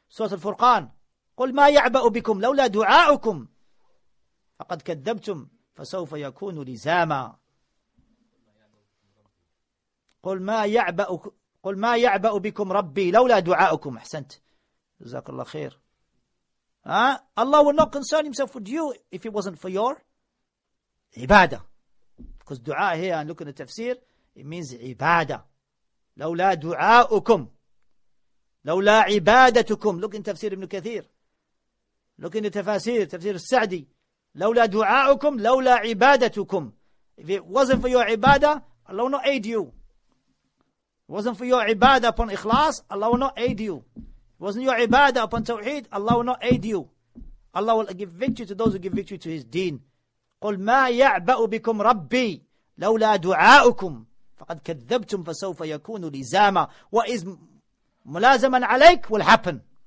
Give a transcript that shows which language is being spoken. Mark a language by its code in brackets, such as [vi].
[ar] Al-Furqan, قُلْ مَا يَعْبَأُ بِكُمْ لَوْلَا دُعَاءُكُمْ فَقَدْ كَذَّبْتُمْ فَسَوْفَ يَكُونُ لِزَامًا قُلْ مَا يَعْبَأُ بِكُمْ رَبِّي لَوْلَا دُعَاءُكُمْ أحسنت. جزاك الله خير. [en] Allah will not concern Himself with you if it wasn't for your ibadah. Because dua here, and look at the tafsir, it means ibadah. [ar] لَوْلَا دُعَاءُكُمْ لَوْلَا عِبَادَتُكُمْ [en] Look in Tafsir Ibn Kathir. Look in the Tafsir Al-Sa'di. [ar] لَوْلَا دُعَاءُكُمْ لَوْلَا عِبَادَتُكُمْ [en] If it wasn't for your ibadah, Allah will not aid you. If it wasn't for your ibadah upon ikhlas, Allah will not aid you. If it wasn't your ibadah upon tawheed, Allah will not aid you. Allah will give victory to those who give victory to His deen. [ar] قُلْ مَا يَعْبَأُ بِكُمْ رَبِّي لَوْلَا دُعَاءُكُمْ فَقَدْ كَذَّبْتُمْ فَسَوْفَ يَكُونُ لِزَامًا [en] What is [ar] مُلَازَمًا عَلَيْكْ [en] will happen.